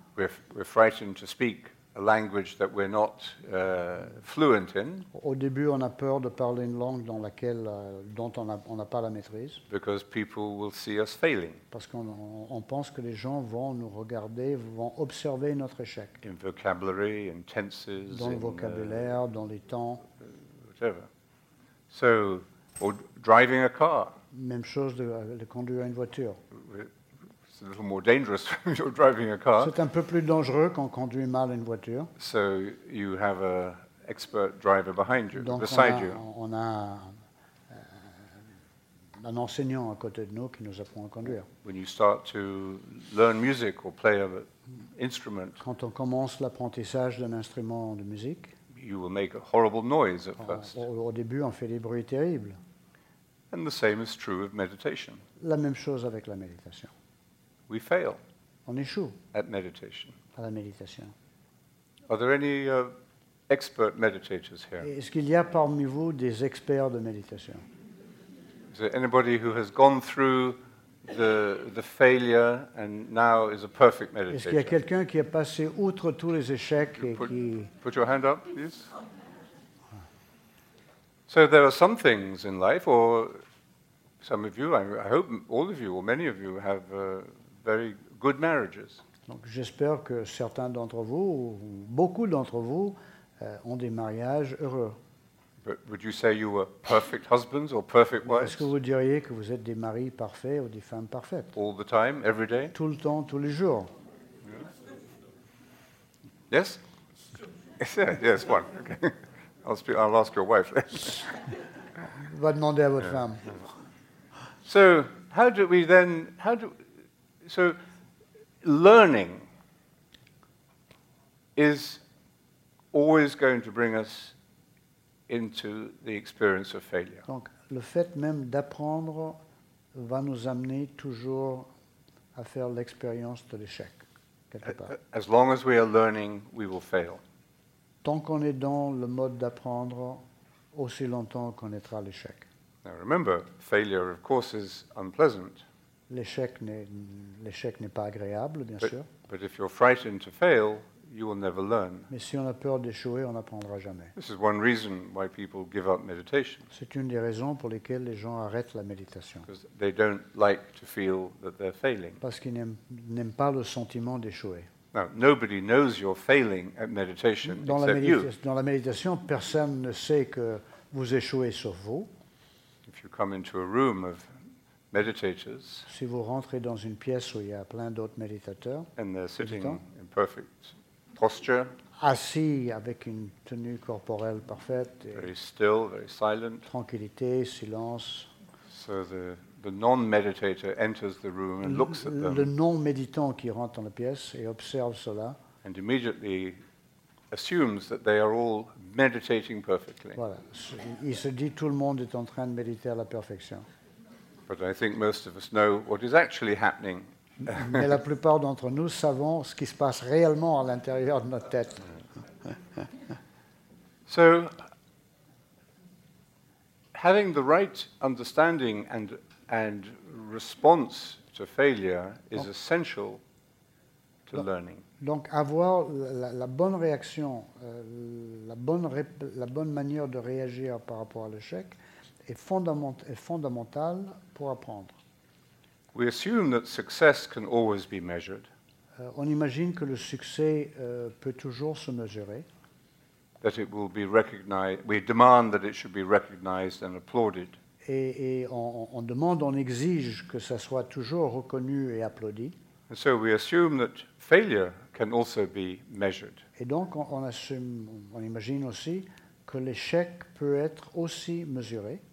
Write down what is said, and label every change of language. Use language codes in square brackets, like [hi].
[en] We're frightened to speak a language that we're not fluent in. [fr] Au début, on a peur de parler une langue dont on n'a pas la maîtrise. [en] Because people will see us failing. [fr] Parce qu'on pense que les gens vont nous regarder, vont observer notre échec. [en] In vocabulary, in tenses, [fr] dans le vocabulaire, dans les temps. [en] Whatever. So, or driving a car. [fr] Même chose de conduire une voiture. [en] It's a little more dangerous when you're driving a car. [fr] C'est un peu plus dangereux quand on conduit mal une voiture. [en] So you have an expert driver behind you, [fr] Donc [en] beside [fr] on a, [en] you. [fr] On a un enseignant à côté de nous qui nous apprend à conduire. [en] When you start to learn music or play an instrument, [fr] quand on commence l'apprentissage d'un instrument de musique, [en] you will make a horrible noise at first. [fr] Au début, on fait des bruits terribles. [en] And the same is true of meditation. [fr] La même chose avec la méditation. [en] We fail. [fr] On échoue. [en] At meditation. [fr] À la méditation. [en] Are there any expert meditators here? [fr] Est-ce qu'il y a parmi vous des experts de méditation? [en] Is there anybody who has gone through the failure and now is a perfect meditator? [fr] Est-ce qu'il y a quelqu'un qui a passé outre tous les échecs et qui... [en] Put your hand up, please. So there are some things in life, or some of you, I hope all of you, or many of you, have very good marriages. [fr] Donc j'espère que certains d'entre vous, ou beaucoup d'entre vous, ont des mariages heureux. [en] But would you say you were perfect husbands or perfect wives? [fr] Est-ce que vous diriez que vous êtes des maris parfaits ou des femmes parfaites? [en] All the time, every day? [fr] Tout le temps, tous les jours. [en] Yes? Yes, yes, one, okay. I'll ask your wife. [fr] Va demander à votre femme. [en] So how do we then? So learning is always going to bring us into the experience of failure. [fr] Donc le fait même d'apprendre va nous amener toujours à faire l'expérience de l'échec quelque part. [en] As long as we are learning, we will fail. [fr] Tant qu'on est dans le mode d'apprendre, aussi longtemps qu'on connaîtra l'échec. [en] Now remember, failure of course is unpleasant. [fr] L'échec n'est pas agréable, bien sûr. [en] But if you're frightened to fail, you will never learn. [fr] Mais si on a peur d'échouer, on n'apprendra jamais. [en] This is one reason why people give up meditation. [fr] C'est une des raisons pour lesquelles les gens arrêtent la méditation. [en] Because they don't like to feel that they're failing. [fr] Parce qu'ils n'aiment pas le sentiment d'échouer. [en] Now, nobody knows you're failing at meditation except you. [fr] Dans la méditation, personne ne sait que vous échouez sauf vous. [en] If you come into a room of meditators, [fr] si vous rentrez dans une pièce où il y a plein d'autres méditateurs, [en] and they're sitting in perfect posture, [fr] assis avec une tenue corporelle parfaite, [en] very still, very silent, [fr] tranquillité, silence. [en] So the non-meditator enters the room and looks at them. [fr] Le non-méditant qui rentre dans la pièce et observe cela. [en] And immediately assumes that they are all meditating perfectly. [fr] Voilà. Il se dit tout le monde est en train de méditer à la perfection. [en] But I think most of us know what is actually happening. [fr] Mais la plupart d'entre nous savons ce qui se passe réellement à l'intérieur de notre tête. [en] So, having the right understanding and response to failure is essential to learning. [fr] Donc avoir la bonne réaction, la bonne manière de réagir par rapport à l'échec est fondamentale pour apprendre. [en] We assume that success can always be measured. [fr] On imagine que le succès peut toujours se mesurer. [en] That it will be recognized. We demand that it should be recognized and applauded. [fr] Et on demande, on exige que ça soit toujours reconnu et applaudi. [en] And so we assume that failure can also be measured. [fr] Et donc on imagine aussi que l'échec peut être aussi mesuré.